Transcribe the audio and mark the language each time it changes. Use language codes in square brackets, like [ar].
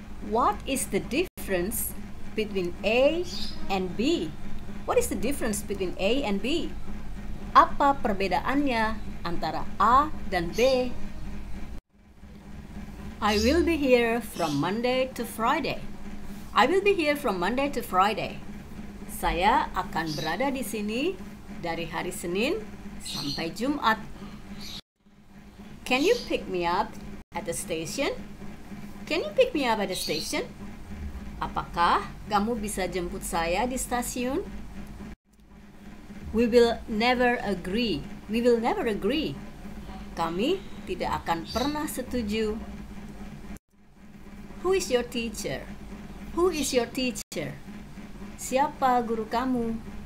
[en] What is the difference between A and B? What is the difference between A and B? [id] Apa perbedaannya antara A dan B? [en] I will be here from Monday to Friday. I will be here from Monday to Friday. [id] Saya akan berada di sini dari hari Senin sampai Jumat. [en] Can you pick me up at the station? Can you pick me up at the station? [id] Apakah kamu bisa jemput saya di stasiun? [en] We will never agree. We will never agree. [id] Kami tidak akan pernah setuju. [en] Who is your teacher? Who is your teacher? [id] Siapa guru kamu?